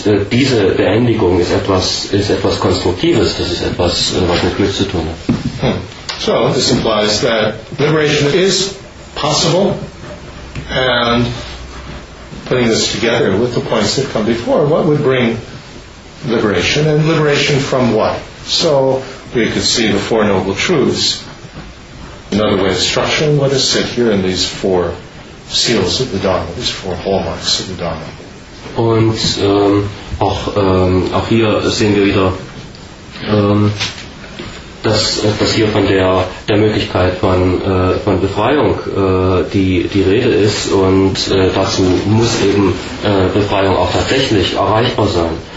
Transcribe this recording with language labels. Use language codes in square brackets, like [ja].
[de] Diese Beendigung ist etwas Konstruktives, das ist etwas, was mit Glück zu tun hat. [en] So, this implies that liberation is possible and putting this together with the points that come before, what would bring liberation, and liberation from what? So we could see the Four Noble Truths, another way of structuring what is said here in these four seals of the Dharma, these four hallmarks of the Dharma. [de] Und auch hier sehen wir wieder, dass hier von der Möglichkeit von Befreiung die Rede ist und dazu muss eben Befreiung auch tatsächlich erreichbar sein.